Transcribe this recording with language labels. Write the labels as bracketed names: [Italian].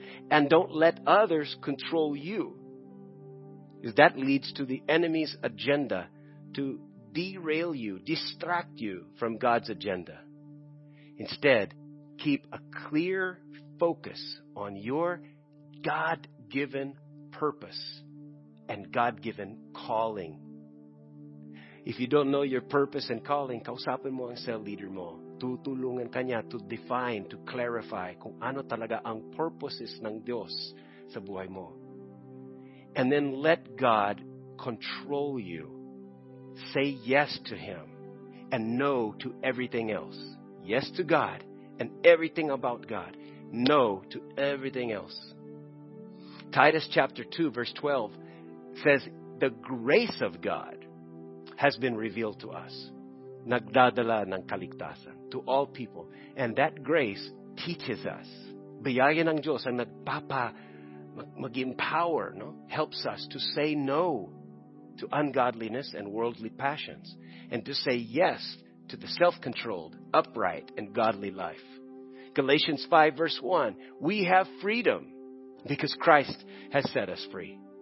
[English] And don't let others control you. That leads to the enemy's agenda to derail you, distract you from God's agenda. Instead, keep a clear focus on your God-given purpose and God-given calling. If you don't know your purpose and calling, [Filipino] kausapin mo ang cell leader mo. tutulungan kanya [English] to define, to clarify [Filipino] kung ano talaga ang purposes ng Diyos sa buhay mo. [English] And then let God control you. Say yes to Him and no to everything else. Yes to God and everything about God. No to everything else. Titus chapter 2 verse 12 says, the grace of God has been revealed to us. [Filipino] Nagdadala ng kaligtasan [English] to all people. And that grace teaches us. [Filipino] Biyaya ng Diyos ang nagpapa mag-empower, no? [English] Helps us to say no to ungodliness and worldly passions and to say yes to the self-controlled, upright, and godly life. Galatians 5 verse 1, we have freedom because Christ has set us free.